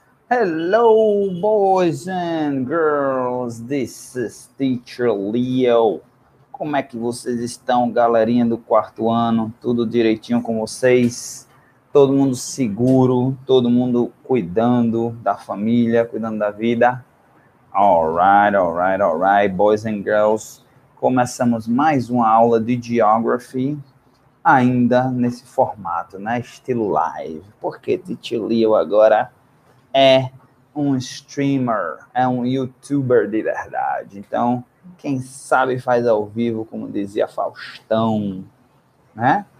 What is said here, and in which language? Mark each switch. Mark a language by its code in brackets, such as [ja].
[en] Hello, boys and girls, this is Teacher Leo. [pt] Como é que vocês estão, galerinha do quarto ano? Tudo direitinho com vocês? Todo mundo seguro, todo mundo cuidando da família, cuidando da vida? [en] All right, boys and girls. [pt] Começamos mais uma aula de Geography, ainda nesse formato, né? Estilo live. Porque Teacher Leo agora é um streamer, é um youtuber de verdade. Então, quem sabe faz ao vivo, como dizia Faustão, né?